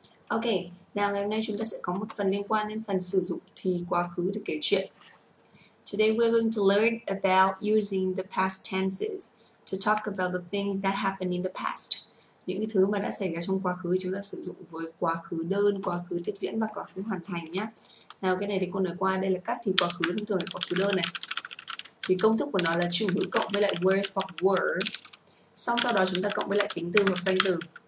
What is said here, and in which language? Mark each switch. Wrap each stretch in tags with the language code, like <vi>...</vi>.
<vi>Ok, nào ngày hôm nay chúng ta sẽ có một phần liên quan đến phần sử dụng thì quá khứ để kể chuyện.</vi> <en>Today we're going to learn about using the past tenses to talk about the things that happened in the past.</en> <vi>Những cái thứ mà đã xảy ra trong quá khứ chúng ta sử dụng với quá khứ đơn, quá khứ tiếp diễn và quá khứ hoàn thành nhé. Nào cái này thì cô nói qua, đây là các thì quá khứ, thông thường là quá khứ đơn này. Thì công thức của nó là chủ ngữ cộng với lại where hoặc were. Xong sau đó chúng ta cộng với lại tính từ hoặc danh từ.</vi>